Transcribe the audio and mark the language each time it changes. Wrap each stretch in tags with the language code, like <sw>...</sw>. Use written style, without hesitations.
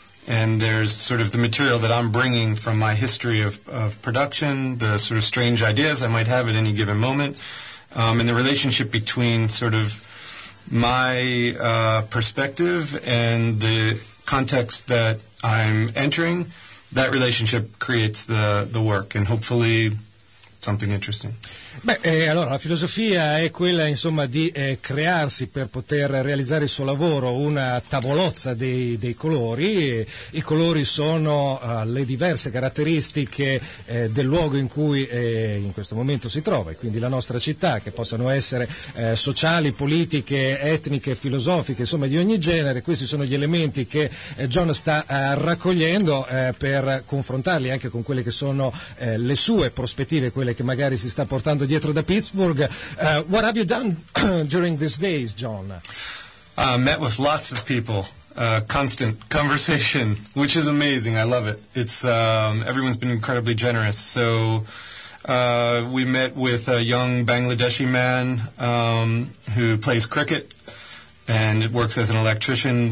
<en>And there's sort of the material that I'm bringing from my history of production, the sort of strange ideas I might have at any given moment, and the relationship between sort of my perspective and the context that I'm entering, that relationship creates the work, and hopefully something interesting.</en> <it>Beh, allora, la filosofia è quella, insomma, di crearsi per poter realizzare il suo lavoro una tavolozza dei colori. I colori sono le diverse caratteristiche del luogo in cui in questo momento si trova, e quindi la nostra città, che possano essere sociali, politiche, etniche, filosofiche, insomma di ogni genere. Questi sono gli elementi che John sta raccogliendo per confrontarli anche con quelle che sono le sue prospettive, quelle che magari si sta portando dietro da Pittsburgh.</it> <en>What have you done during these days, John? Met with lots of people. Constant conversation, which is amazing. I love it. It's everyone's been incredibly generous. So we met with a young Bangladeshi man who plays cricket and works as an electrician.</en>